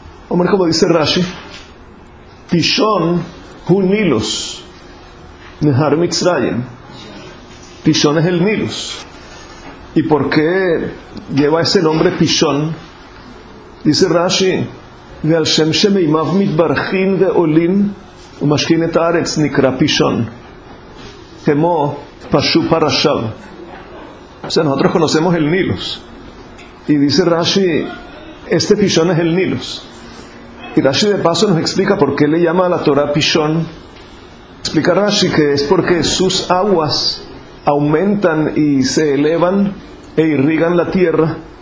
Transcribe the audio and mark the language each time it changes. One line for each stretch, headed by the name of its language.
Spanish: Hombre, como dice Rashi,
Hebrew: Pishon Hu Nilus Nehar Mitzrayim.
Spanish: Pishon es el Nilus. ¿Y por qué lleva ese nombre Pishon? Dice Rashi,
Hebrew: ועל שם שמימיו מתברכים ועולים ומשכין את הארץ נקרא פישון, כמו פשו פרשיו.
Spanish: O sea, nosotros conocemos el Nilus. Y dice Rashi, este Pishón es el Nilus. Y Rashi de paso nos explica por qué le llama a la Torah Pishón. Explica Rashi que es porque sus aguas aumentan y se elevan e irrigan la tierra.